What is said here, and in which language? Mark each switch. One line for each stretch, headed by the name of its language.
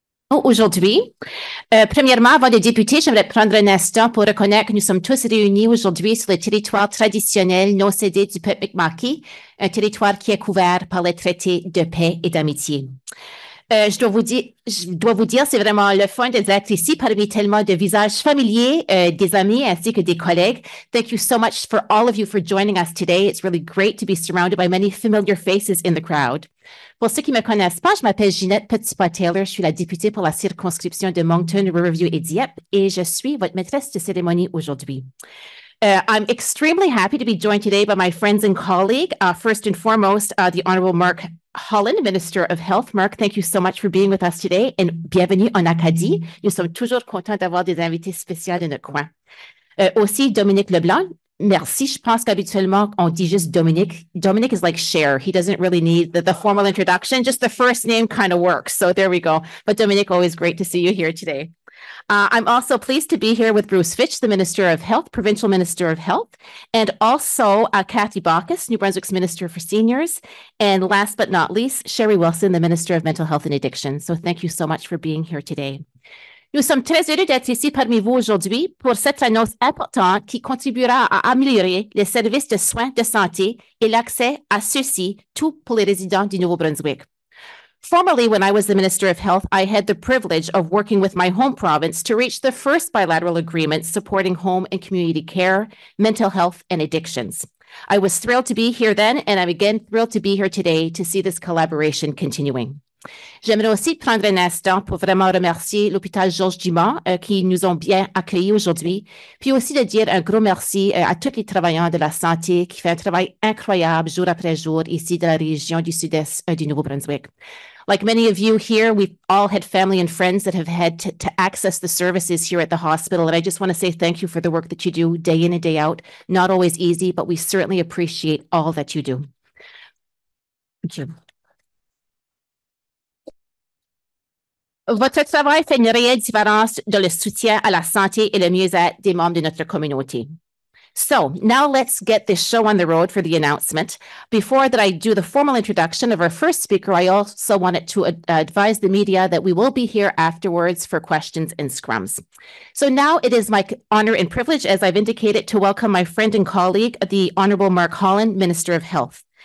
French: Aujourd'hui, premièrement, avant de débuter, j'aimerais prendre un instant pour reconnaître que nous sommes tous réunis aujourd'hui sur le territoire traditionnel non cédé du peuple Mi'kmaq, un territoire qui est couvert par les traités de paix et d'amitié. Je dois vous dire, c'est vraiment le fun d'être ici parmi tellement de visages familiers, des amis ainsi que des collègues.
English: Thank you so much for all of you for joining us today. It's really great to be surrounded by many familiar faces in the crowd.
French: Pour ceux qui ne me connaissent pas, je m'appelle Ginette Petitpas Taylor. Je suis la députée pour la circonscription de Moncton, Riverview et Dieppe et je suis votre maîtresse de cérémonie aujourd'hui.
English: I'm extremely happy to be joined today by my friends and colleague, first and foremost, the Honorable Mark Holland, Minister of Health. Mark, thank you so much for being with us today and
French: bienvenue en Acadie. Nous sommes toujours contents d'avoir des invités spéciaux de notre coin. Aussi, Dominic LeBlanc. Merci. Je pense qu'habituellement, on dit juste Dominic.
English: Dominic is like Cher. He doesn't really need the formal introduction. Just the first name kind of works. So there we go. But Dominic, always great to see you here today. I'm also pleased to be here with Bruce Fitch, the Minister of Health, Provincial Minister of Health, and also Kathy Bockus, New Brunswick's Minister for Seniors, and last but not least, Sherry Wilson, the Minister of Mental Health and Addiction. So thank you so much for being here today.
French: Nous sommes très heureux d'être ici parmi vous aujourd'hui pour cette annonce importante qui contribuera à améliorer les services de soins de santé et l'accès à ceux-ci tout pour les résidents du Nouveau-Brunswick.
English: Formerly, when I was the Minister of Health, I had the privilege of working with my home province to reach the first bilateral agreement supporting home and community care, mental health, and addictions. I was thrilled to be here then, and I'm again thrilled to be here today to see this collaboration continuing.
French: J'aimerais aussi prendre un instant pour vraiment remercier l'hôpital Georges Dumont qui nous ont bien accueillis aujourd'hui, puis aussi de dire un gros merci à tous les travailleurs de la santé qui font un travail incroyable jour après jour ici dans la région du sud-est du Nouveau-Brunswick.
English: Like many of you here, we've all had family and friends that have had to access the services here at the hospital, and I just want to say thank you for the work that you do day in and day out. Not always easy, but we certainly appreciate all that you do. Thank you.
French: Votre travail fait une réelle différence dans le soutien à la santé et le mieux-être des membres de notre communauté.
English: So, now let's get this show on the road for the announcement. Before that I do the formal introduction of our first speaker, I also wanted to advise the media that we will be here afterwards for questions and scrums. So now it is my honor and privilege, as I've indicated, to welcome my friend and colleague, the Honorable Mark Holland, Minister of Health.